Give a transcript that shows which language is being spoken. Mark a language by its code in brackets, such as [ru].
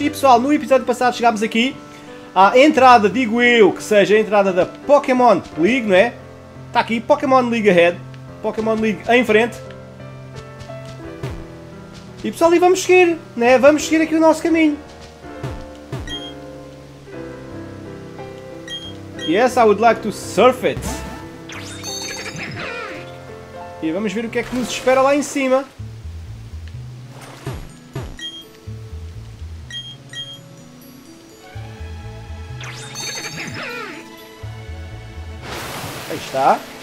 [pt] E, pessoal, no episódio passado chegámos aqui à entrada, digo eu, que seja a entrada da Pokémon League, não é? Está aqui, Pokémon League Ahead, Pokémon League em frente. E, pessoal, e vamos seguir, não é? Vamos seguir aqui o nosso caminho. [en] Yes, I would like to surf it. [pt] E vamos ver o que é que nos espera lá em cima. Aí está.